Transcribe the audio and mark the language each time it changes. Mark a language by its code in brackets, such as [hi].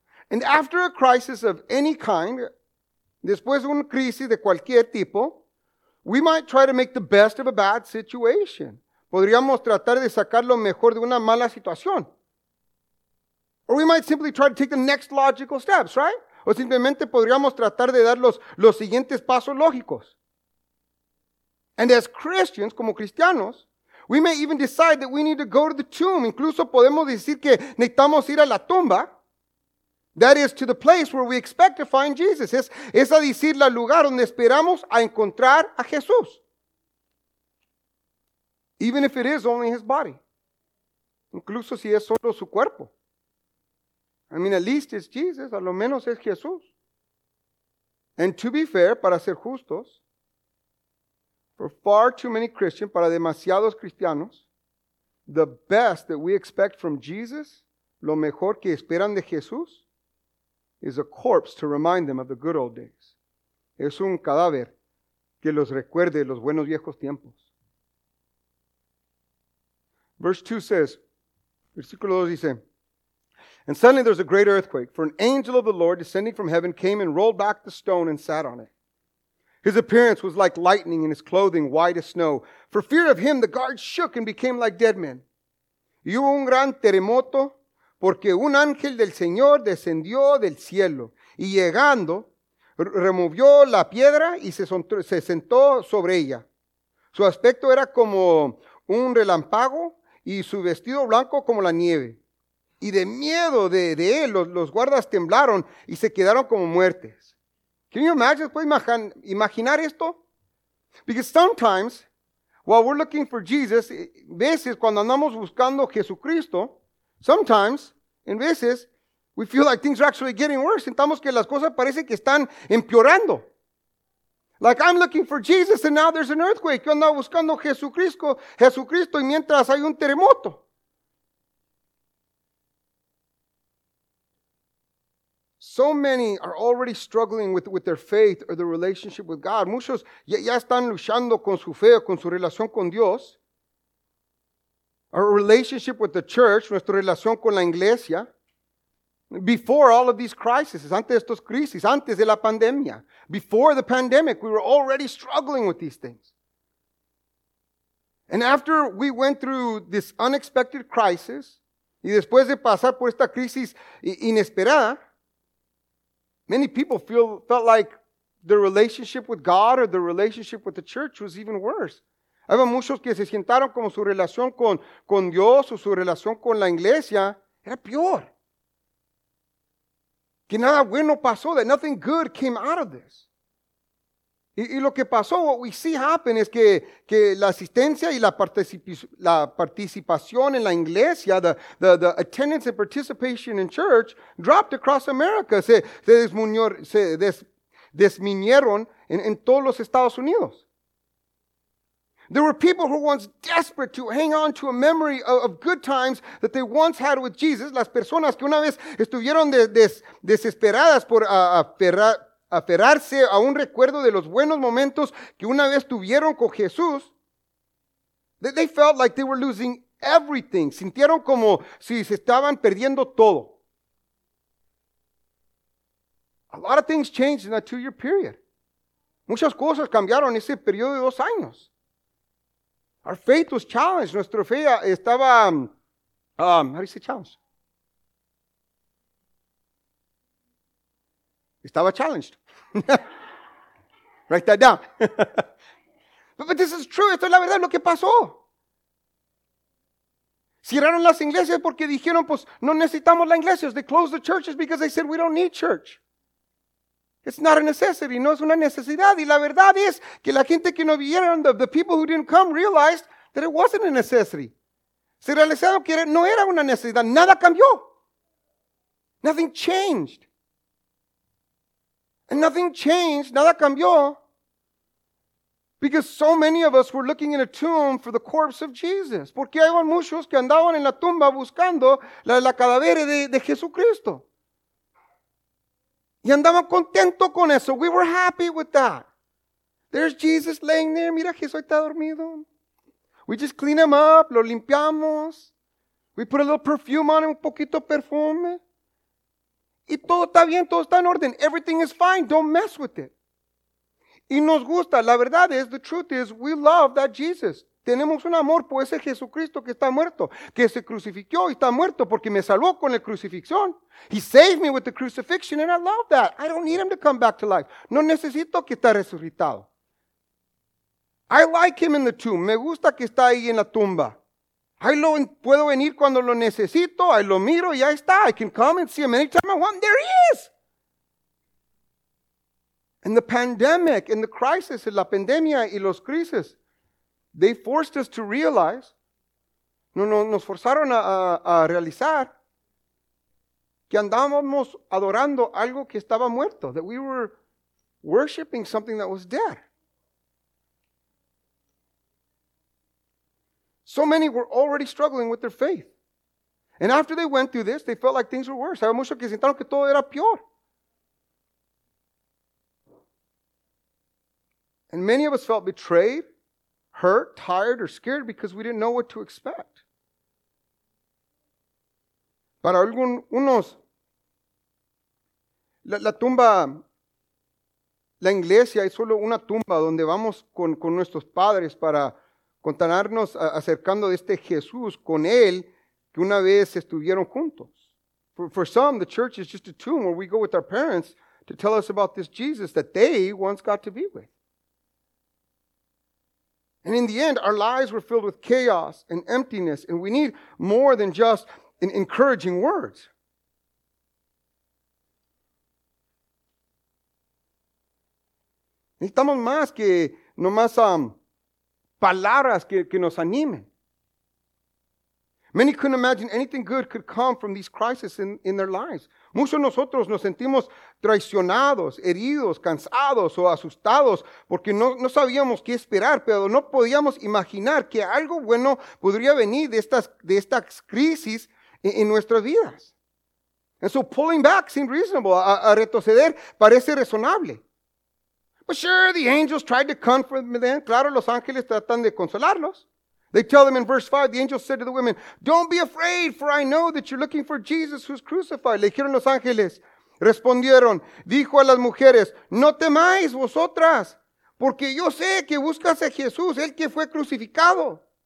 [en] And after a crisis of any kind, [es] después de una crisis de cualquier tipo, [en] we might try to make the best of a bad situation. [es] Podríamos tratar de sacar lo mejor de una mala situación. [en] Or we might simply try to take the next logical steps, right? [es] O simplemente podríamos tratar de dar los siguientes pasos lógicos. [en] And as Christians, [es] como cristianos, [en] we may even decide that we need to go to the tomb. [es] Incluso podemos decir que necesitamos ir a la tumba. [en] That is to the place where we expect to find Jesus. [es] Es a decir, la lugar donde esperamos a encontrar a Jesús. [en] Even if it is only his body. [es] Incluso si es solo su cuerpo. [en] I mean, at least it's Jesus, [es] a lo menos es Jesús. [en] And to be fair, [es] para ser justos, [en] for far too many Christians, [es] para demasiados cristianos, [en] the best that we expect from Jesus, [es] lo mejor que esperan de Jesús, [en] is a corpse to remind them of the good old days. [es] Es un cadáver que los recuerde los buenos viejos tiempos. [en] Verse 2 says, [es] versículo 2 dice, [en] and suddenly there's a great earthquake, for an angel of the Lord descending from heaven came and rolled back the stone and sat on it. His appearance was like lightning and his clothing white as snow. For fear of him, the guards shook and became like dead men. [es] Y hubo un gran terremoto porque un ángel del Señor descendió del cielo y llegando removió la piedra y se sentó sobre ella. Su aspecto era como un relámpago y su vestido blanco como la nieve. Y de miedo de él, los guardas temblaron y se quedaron como muertes. [en] Can you imagine? [es] ¿Puedes imaginar esto? [en] Because sometimes, while we're looking for Jesus, [es] veces cuando andamos buscando Jesucristo, [en] sometimes, [es] en veces, [en] we feel like things are actually getting worse. [es] Sentamos que las cosas parece que están empeorando. [en] Like, I'm looking for Jesus and now there's an earthquake. [es] Yo ando buscando Jesucristo y mientras hay un terremoto. [en] So many are already struggling with their faith or their relationship with God. [es] Muchos ya están luchando con su fe o con su relación con Dios. [en] Our relationship with the church, [es] nuestra relación con la iglesia. [en] Before all of these crises, [es] antes de estos crisis, antes de la pandemia. [en] Before the pandemic, we were already struggling with these things. And after we went through this unexpected crisis, [es] y después de pasar por esta crisis inesperada, [en] many people felt like their relationship with God or their relationship with the church was even worse. [es] Había muchos que se sentaron como su relación con Dios o su relación con la iglesia era peor. Que nada bueno pasó, [en] that nothing good came out of this. [es] Y lo que pasó, [en] what we see happen, [es] es que la asistencia y la participación en la iglesia, [en] the attendance and participation in church, dropped across America. [es] Se desminieron en todos los Estados Unidos. [en] There were people who were once desperate to hang on to a memory of good times that they once had with Jesus. [es] Las personas que una vez estuvieron desesperadas por aferrarse a un recuerdo de los buenos momentos que una vez tuvieron con Jesús, [en] they felt like they were losing everything. [es] Sintieron como si se estaban perdiendo todo. [en] A lot of things changed in that 2-year period. [es] Muchas cosas cambiaron en ese periodo de 2 años. [en] Our faith was challenged. [es] Nuestra fe estaba, [en] how do you say challenged? [es] Estaba [en] challenged. Write that down. But this is true. [es] Esto es la verdad. Lo que pasó. Cerraron las iglesias porque dijeron, pues, no necesitamos la iglesia. [en] They closed the churches because they said, we don't need church. It's not a necessity. [es] No, es una necesidad. Y la verdad es que la gente que no vieron, [en] the people who didn't come, realized that it wasn't a necessity. [es] Se realizaron que no era una necesidad. Nada cambió. [en] Nothing changed. And nothing changed. [es] Nada cambió. [en] Because so many of us were looking in a tomb for the corpse of Jesus. [es] Porque hay muchos que andaban en la tumba buscando la cadavera de Jesucristo. Y andaban contentos con eso. [en] We were happy with that. There's Jesus laying there. [es] Mira, Jesús está dormido. [en] We just clean him up. [es] Lo limpiamos. [en] We put a little perfume on him. [es] Un poquito de perfume. Y todo está bien. Todo está en orden. [en] Everything is fine. Don't mess with it. [es] Y nos gusta. La verdad es, [en] the truth is, we love that Jesus. [es] Tenemos un amor por ese Jesucristo que está muerto, que se crucificó y está muerto porque me salvó con la crucifixión. [en] He saved me with the crucifixion and I love that. I don't need him to come back to life. [es] No necesito que esté resucitado. [en] I like him in the tomb. [es] Me gusta que está ahí en la tumba. Puedo venir cuando lo necesito. Ahí lo miro y ahí está. [en] I can come and see him anytime I want. There he is. And the pandemic and the crisis, [es] la pandemia y los crisis, [en] they forced us to realize, [es] nos forzaron a realizar que andábamos adorando algo que estaba muerto, [en] that we were worshiping something that was dead. So many were already struggling with their faith. And after they went through this, they felt like things were worse. [es] Había muchos que sintieron que todo era peor. [en] And many of us felt betrayed, hurt, tired, or scared because we didn't know what to expect. [es] Para algunos, la tumba, la iglesia es solo una tumba donde vamos con nuestros padres para contarnos acercando de este Jesús con él que una vez estuvieron juntos. [en] For some, the church is just a tomb where we go with our parents to tell us about this Jesus that they once got to be with. And in the end, our lives were filled with chaos and emptiness, and we need more than just encouraging words. [es] Necesitamos más que nomás palabras que nos animen. [en] Many couldn't imagine anything good could come from these crises in their lives. [es] Muchos de nosotros nos sentimos traicionados, heridos, cansados o asustados porque no sabíamos qué esperar, pero no podíamos imaginar que algo bueno podría venir de estas crisis en nuestras vidas. [en] And so pulling back seemed reasonable. [es] A retroceder parece razonable. [en] But sure, the angels tried to comfort them. [es] Claro, los ángeles tratan de consolarlos. [en] They tell them in verse 5, the angel said to the women, don't be afraid, for I know that you're looking for Jesus who's crucified. [es] Le dijeron los ángeles, respondieron, dijo a las mujeres, no temáis vosotras, porque yo sé que buscas a Jesús, el que fue crucificado.